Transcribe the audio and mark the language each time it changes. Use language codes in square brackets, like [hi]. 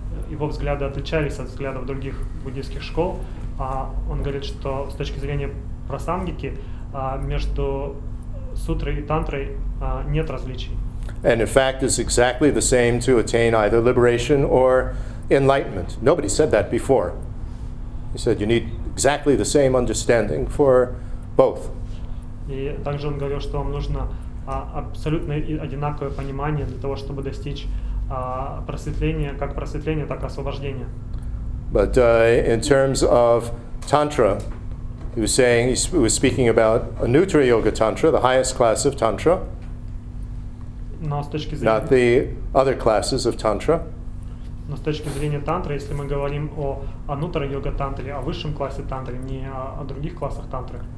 [ru] его взгляды отличались от взглядов других буддийских школ. Он говорит, что с точки зрения прасангики между сутрой и тантрой нет различий. [en] And in fact, it's exactly the same to attain either liberation or enlightenment. Nobody said that before. He said you need exactly the same understanding for both. [ru] И также он говорил, что вам нужно абсолютно одинаковое понимание для того, чтобы достичь просветления, как просветления, так и освобождения. [en] But in terms of tantra, he was saying, he was speaking about a neutra yoga tantra, the highest class of tantra. [ru] Но с точки зрения... [en] Not the other classes of tantra. [ru] Но с точки зрения тантра, если мы говорим о анутра йога тантре, о высшем классе тантры, не о других классах тантры.